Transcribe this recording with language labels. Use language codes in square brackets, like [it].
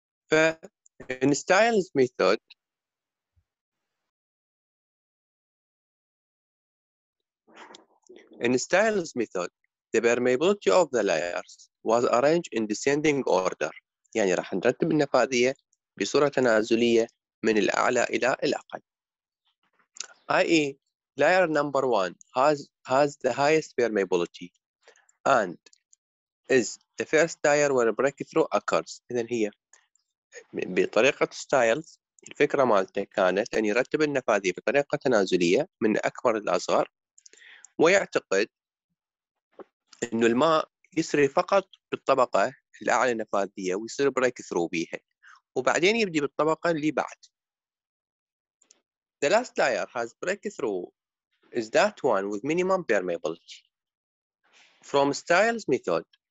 [en] فإن Stiles method in Stiles method the permeability of the layers was arranged in descending order. [ar] يعني راح نرتب النفاذية بصورة تنازلية من الأعلى إلى الأقل. [en] I.e. layer number one has the highest permeability and is the first tire where a breakthrough occurs. [ar] إذن هي بطريقة styles الفكرة مالته كانت أن يرتب النفاذي بطريقة تنازلية من أكبر الأصغر ويعتقد أن الماء يسري فقط بالطبقة الأعلى نفاذية ويصير breakthrough بيها وبعدين يبدي بالطبقة اللي بعد. [en] The last layer has breakthrough is that one with minimum permeability from Stiles method.